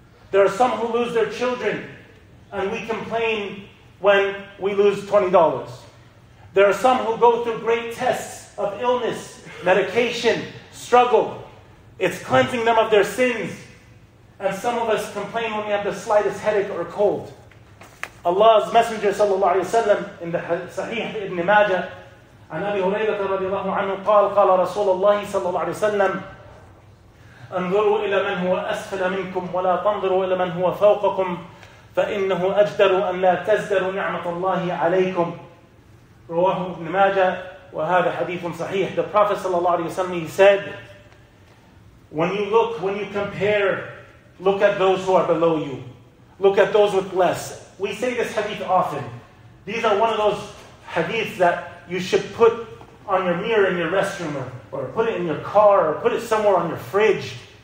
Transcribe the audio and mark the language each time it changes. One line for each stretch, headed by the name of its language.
English: There are some who lose their children, and we complain when we lose $20. There are some who go through great tests of illness, medication, struggle. It's cleansing them of their sins. And some of us complain when we have the slightest headache or cold. Allah's Messenger sallallahu alayhi wa sallam in the Sahih Ibn Majah,
Arabic: عن أبي هريرة رضي الله عنه قال قال رسول الله صلى الله عليه وسلم انظروا إلى من هو أسفل منكم ولا تنظروا إلى من هو فوقكم فإنه أجدر أن لا تزدروا نعمة الله عليكم. رواه ابن ماجه وهذا حديث صحيح.
English: The Prophet
Arabic: صلى الله عليه وسلم,
English: he said, when you look, when you compare, look at those who are below you, look at those with less. We say this hadith often. These are one of those hadiths that you should put on your mirror in your restroom, or put it in your car, or put it somewhere on your fridge.